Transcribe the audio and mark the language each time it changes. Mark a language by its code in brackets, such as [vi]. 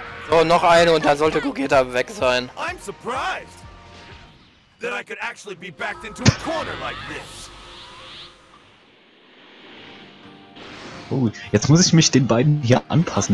[de] So, noch eine und dann sollte Gogeta weg sein. [en] I'm surprised that I could actually be backed into a corner like this. [de] Oh, jetzt muss ich mich den beiden hier anpassen.